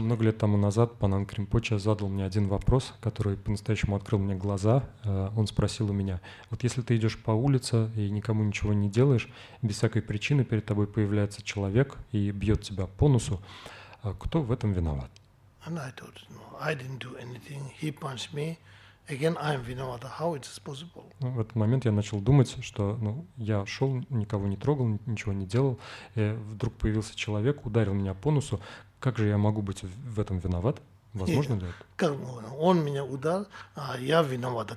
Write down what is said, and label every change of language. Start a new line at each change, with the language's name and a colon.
Russian: Много лет тому назад Панан Кримпоча задал мне один вопрос, который по-настоящему открыл мне глаза. Он спросил у меня: вот если ты идешь по улице и никому ничего не делаешь, без всякой причины перед тобой появляется человек и бьет тебя по носу, кто в этом виноват?
English: And I told him, no, I didn't do anything. He punched me. Again, I am vinovata. How it is possible?
Russian: В этот момент я начал думать, что я шел, никого не трогал, ничего не делал. И вдруг появился человек, ударил меня по носу. Как же я могу быть в этом виноват? Возможно ли это? Как он меня ударил, а я виновата.